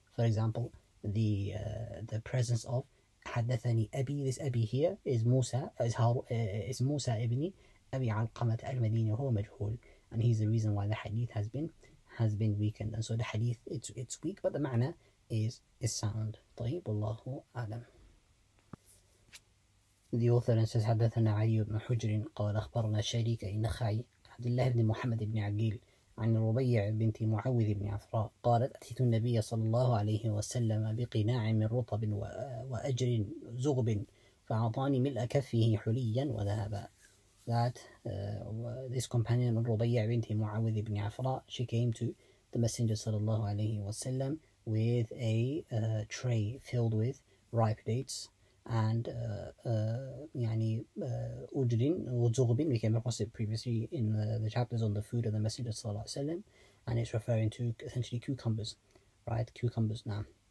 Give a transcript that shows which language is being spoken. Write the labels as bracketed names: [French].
[English] For example, the presence of حدثني أبي, this أبي here is Musa, is Musa ibn أبي علقمة المدينة, [Arabic] هو مجهول, [English] and he's the reason why the hadith has been weakened. And so the hadith, it's weak, but the معنى is sound. [Arabic] طيب, الله أعلم. [English] The author then says, [Arabic] حدثنا علي بن حجر قال أخبرنا شريك النخعي عبد الله بن محمد بن عقيل عن ربيع بنت معوذ بن عفراء قالت أتيت النبي صلى الله عليه وسلم بقناع من رطب وأجر زغب فأعطاني ملء كفه حليا وذهبا. [English] That this companion of ربيع بنت معوذ بن عفراء, she came to the Messenger صلى الله عليه وسلم with a tray filled with ripe dates and ujrin or zughbin. We came across it previously in the chapters on the food of the Messenger sallallahu alaihi wasallam, and it's referring to essentially cucumbers, right? Cucumbers now.